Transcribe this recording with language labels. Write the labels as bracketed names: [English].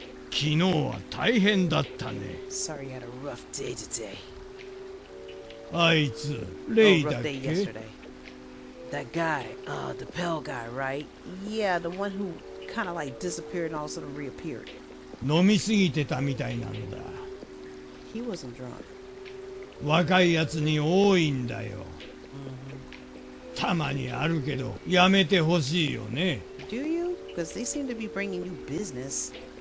[Japanese] 昨日は大変だったね。 [English] Sorry, you had a rough day today. [Japanese] あいつ、レイだっけ? [English] That guy, the pale guy, right? Yeah, the one who kind of like disappeared and all of a sudden reappeared. [Japanese] 飲みすぎてたみたいなんだ。 [English] He wasn't drunk. [Japanese] 若いやつに多いんだよ。たまにあるけど、やめてほしいよね。 [English] Do you? Because they seem to be bringing you business.